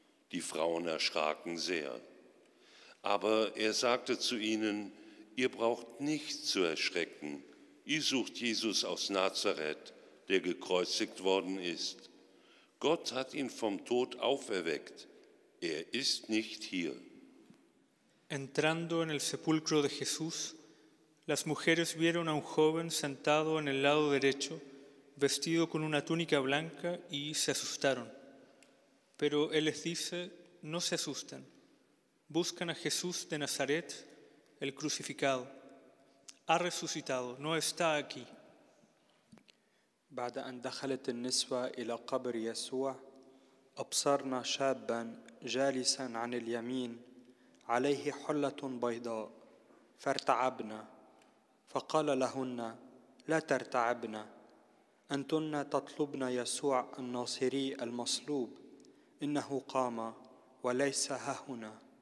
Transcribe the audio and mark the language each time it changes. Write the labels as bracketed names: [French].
[German] Die Frauen erschraken sehr. Aber er sagte zu ihnen, "Ihr braucht nicht zu erschrecken. Ihr sucht Jesus aus Nazareth, der gekreuzigt worden ist. Gott hat ihn vom Tod auferweckt. Er ist nicht hier. [Spanish] Entrando en el sepulcro de Jesús, las mujeres vieron a un joven sentado en el lado derecho, vestido con una túnica blanca, y se asustaron. Pero él les dice, no se asusten. Buscan a Jesús de Nazaret, el crucificado. Ha resucitado, no está aquí. [Arabic] بعد أن دخلت النسوة إلى قبر يسوع أبصرنا شابا جالسا عن اليمين عليه حلة بيضاء فارتعبنا فقال لهن لا ترتعبنا أنتن تطلبن يسوع الناصري المصلوب إنه قام وليس ههنا.